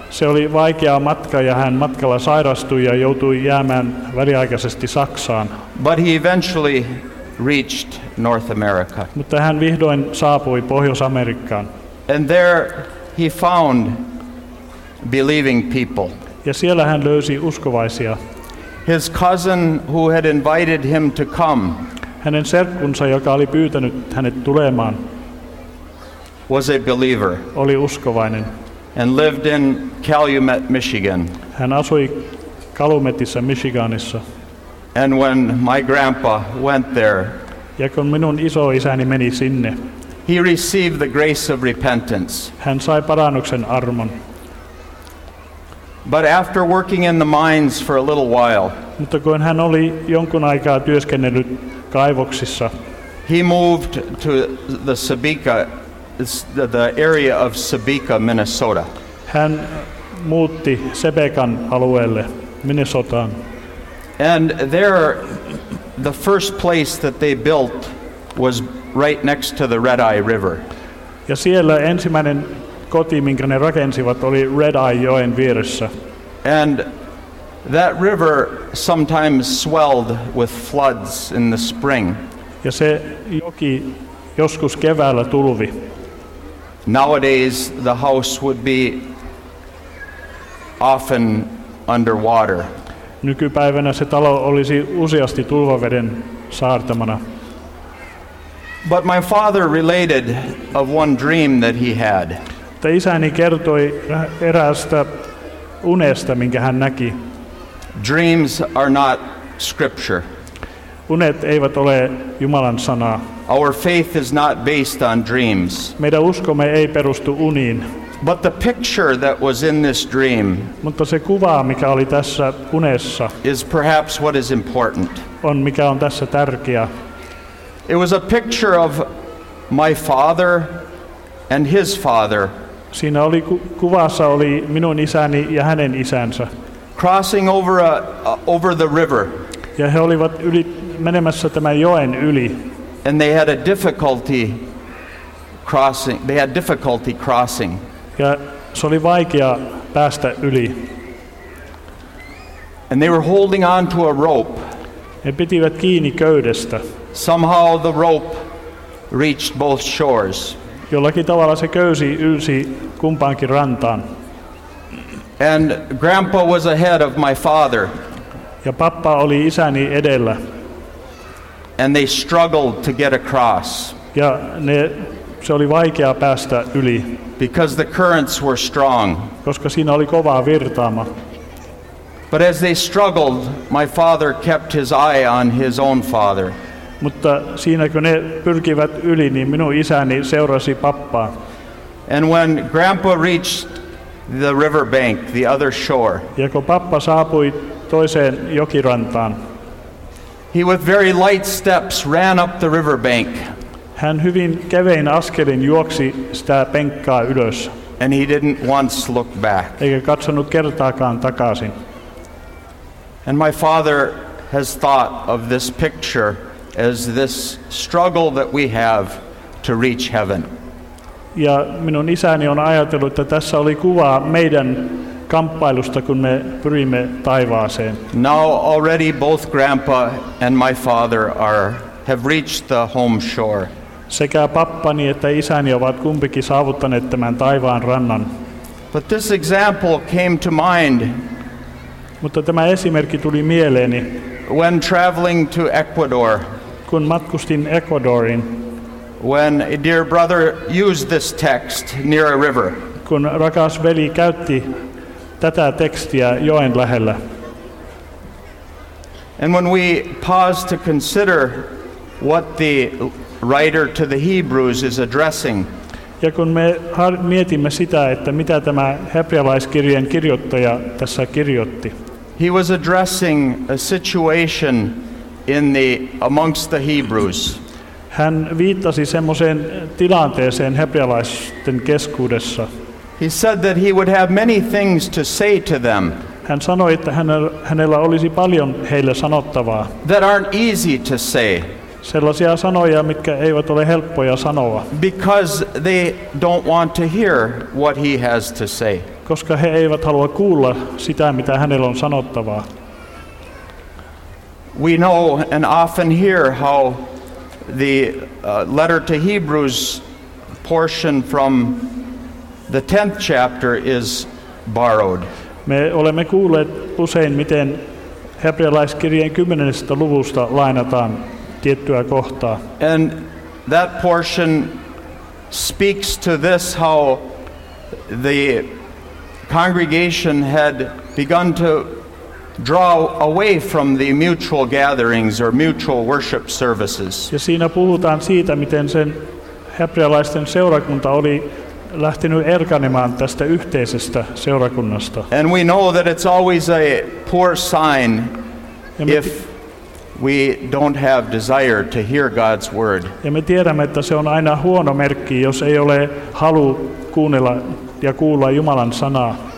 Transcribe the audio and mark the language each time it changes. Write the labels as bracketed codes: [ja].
[fi] Se oli vaikea matka ja hän matkalla sairastui ja joutui jäämään väliaikaisesti Saksaan. [en] But he eventually reached North America. [fi] Mutta hän vihdoin saapui Pohjois-Amerikkaan. [en] And there he found believing people. [fi] ja siellä hän löysi uskovaisia. [en] His cousin who had invited him to come. [fi] Hänen serkkunsa, joka oli pyytänyt hänet tulemaan. [en] Was a believer. [fi] Oli uskovainen. [en] And lived in Calumet, Michigan. [fi] Hän asui Calumetissa, Michiganissa. [en] And when my grandpa went there. [fi] Ja kun minun isoisäni meni sinne. [en] He received the grace of repentance. [fi] Hän sai parannuksen armon. [en] But after working in the mines for a little while. [fi] Mutta kun hän oli jonkun aikaa työskennellyt kaivoksissa. [en] He moved to the Sabika, the area of Sabika, Minnesota. [fi] Hän muutti Sebekan alueelle, Minnesotaan. [en] And there the first place that they built was right next to the Red Eye River. [fi] Ja siellä ensimmäinen koti, minkä ne rakensivat, oli Red Eye joen vieressä. [en] And that river sometimes swelled with floods in the spring. [fi] Ja se joki joskus keväällä tulvi. [en] Nowadays the house would be often underwater. [fi] Nykypäivänä se talo olisi useasti tulvaveden saartamana. [en] But my father related of one dream that he had. [fi] Isäni kertoi eräästä unesta, minkä hän näki. [en] Dreams are not scripture. [fi] Unet eivät ole Jumalan sanaa. [en] Our faith is not based on dreams. [fi] Meidän uskomme ei perustu uniin. [en] But the picture that was in this dream. [fi] Mutta se kuva, mikä oli tässä unessa. [en] Is perhaps what is important. [fi] On mikä on tässä tärkeä. [en] It was a picture of my father and his father. [fi] Siinä oli kuvassa oli minun isäni ja hänen isänsä. [en] Crossing over over the river. [fi] Ja he olivat yli menemässä tämän joen yli. [en] And they had a difficulty crossing. They had difficulty crossing. [fi] Ja se oli vaikea päästä yli. [en] And they were holding on to a rope. [fi] He pitivät kiinni köydestä. [en] Somehow the rope reached both shores. [fi] Jollakin tavalla se köysi ylsi kumpaankin rantaan. [en] And grandpa was ahead of my father. [fi] Ja pappa oli isäni edellä. [en] And they struggled to get across. [fi] Ja se oli vaikea päästä yli. [en] Because the currents were strong. [fi] Koska siinä oli kovaa virtaama. [en] But as they struggled, my father kept his eye on his own father. [fi] Mutta siinä kun ne pyrkivät yli, niin minun isäni seurasi pappaa. [en] And when grandpa reached the river bank, the other shore. [fi] Ja kun pappa saapui toiseen jokirantaan. [en] He with very light steps ran up the river bank. [fi] Hän hyvin kevein askelin juoksi sitä penkkaa ylös. [en] And he didn't once look back. [fi] Eikä katsonut kertaakaan takaisin. [en] And my father has thought of this picture as this struggle that we have to reach heaven. [fi] Ja minun isäni on ajatellut, että tässä oli kuva meidän kamppailusta, kun me pyrimme taivaaseen. [en] Now already both grandpa and my father have reached the home shore. [fi] Sekä pappani että isäni ovat kumpikin saavuttaneet tämän taivaan rannan. [en] But this example came to mind. [fi] Mutta tämä esimerkki tuli mieleeni. [en] When traveling to Ecuador. [fi] Kun matkustin Ecuadoriin. [en] When a dear brother used this text near a river. [fi] Kun rakas veli käytti tätä tekstiä joen lähellä. [en] And when we pause to consider what the writer to the Hebrews is addressing. [fi] Ja kun me mietimme sitä, että mitä tämä hebrealaiskirjeen kirjoittaja tässä kirjoitti. [en] He was addressing a situation amongst the Hebrews. [fi] Hän viittasi semmoiseen tilanteeseen hebrealaisten keskuudessa. [en] He said that he would have many things to say to them. [fi] Hän sanoi, että hänellä olisi paljon heille sanottavaa. [en] That aren't easy to say. [fi] Sellaisia sanoja, mitkä eivät ole helppoja sanoa. [en] Because they don't want to hear what he has to say. [fi] Koska he eivät halua kuulla sitä, mitä hänellä on sanottavaa. [en] We know and often hear how the letter to Hebrews portion from the 10th chapter is borrowed. [fi] Me olemme kuulleet usein, miten hebrealaiskirjeen 10. luvusta lainataan tiettyä kohtaa. [en] And that portion speaks to this, how the congregation had begun to draw away from the mutual gatherings or mutual worship services. [fi] Ja siinä puhutaan siitä, miten sen hebrealaisten seurakunta oli lähtenyt erkanemaan tästä yhteisestä seurakunnasta. [en] And we know that it's always a poor sign if we don't have desire to hear God's word. [fi] Ja me tiedämme, että se on aina huono merkki, jos ei ole halu kuunnella ja kuulla Jumalan sanaa.